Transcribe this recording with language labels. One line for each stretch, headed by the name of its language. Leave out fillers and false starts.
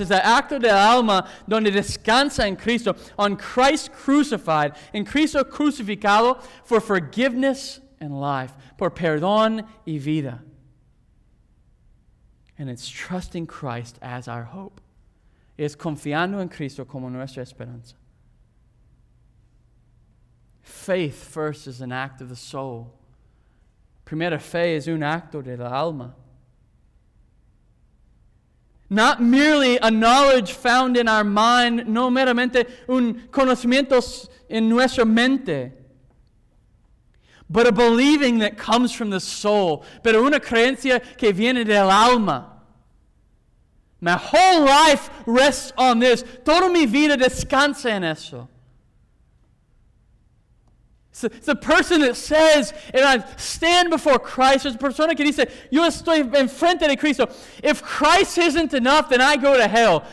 English: It's the act of the
Spanish: alma donde descansa en Cristo,
English: on Christ crucified,
Spanish: en Cristo crucificado,
English: for forgiveness and life,
Spanish: por perdón y vida.
English: And it's trusting Christ as our hope.
Spanish: Es confiando en Cristo como nuestra esperanza.
English: Faith first is an act of the soul.
Spanish: Primera fe es un acto de la alma.
English: Not merely a knowledge found in our mind,
Spanish: no meramente un conocimiento en nuestra mente,
English: but a believing that comes from the soul,
Spanish: pero una creencia que viene del alma.
English: My whole life rests on this.
Spanish: Toda mi vida descansa en eso.
English: It's the person that says, and I stand before Christ.
Spanish: There's a persona que dice, yo estoy en frente de Cristo.
English: If Christ isn't enough, then I go to hell.